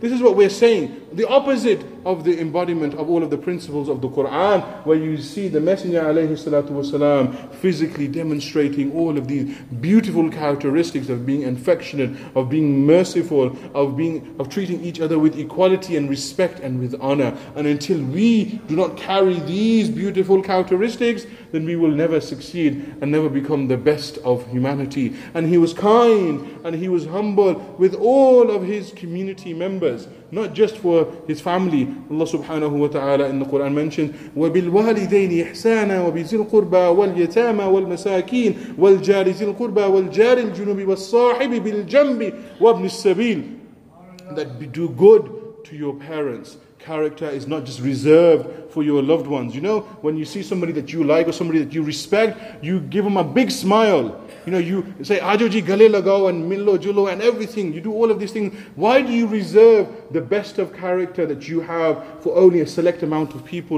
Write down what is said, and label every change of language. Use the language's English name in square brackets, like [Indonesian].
[English] This is what we're saying. The opposite of the embodiment of all of the principles of the Quran, where you see the Messenger alayhi salatu wasalam physically demonstrating all of these beautiful characteristics of being affectionate, of being merciful, of treating each other with equality and respect and with honor. And until we do not carry these beautiful characteristics, then we will never succeed and never become the best of humanity. And he was kind and he was humble with all of his community members, not just for his family. Allah subhanahu wa ta'ala in the Quran mentions, [Arabic] وَبِالْوَالِدَيْنِ إِحْسَانًا وَبِذِي الْقُرْبَى وَالْيَتَامَى وَالْمَسَاكِينَ وَالْجَارِ ذِي الْقُرْبَى وَالْجَارِ الْجُنُوبِ وَالصَّاحِبِ بِالْجَنْبِ وَابْنِ السَّبِيلِ. [English] That do good to your parents. Character is not just reserved for your loved ones. You know, when you see somebody that you like or somebody that you respect, you give them a big smile. You know, you say, [Urdu] Ajoji gale lagao [English] and [Urdu] millo julo [English] and everything. You do all of these things. Why do you reserve the best of character that you have for only a select amount of people?